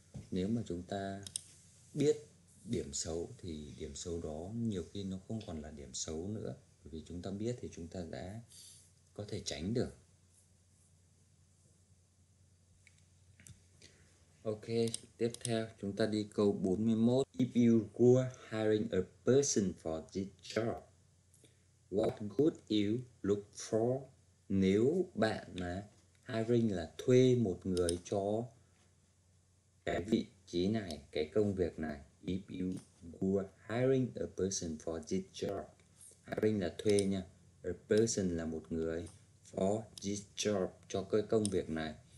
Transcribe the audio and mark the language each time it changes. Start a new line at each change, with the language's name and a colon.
Vietnamese: Nếu mà chúng ta biết điểm xấu thì điểm xấu đó nhiều khi nó không còn là điểm xấu nữa, bởi vì chúng ta biết thì chúng ta đã có thể tránh được. Ok, tiếp theo chúng ta đi câu 41.
English: If you were hiring a person for this job, what would you look for?
Vietnamese: Nếu bạn là hiring, là thuê một người cho cái vị trí này, cái công việc này.
English: If you were hiring a person for this job, hiring
Vietnamese: là thuê nha,
English: a person
Vietnamese: là một người,
English: for this job,
Vietnamese: cho cái công việc này.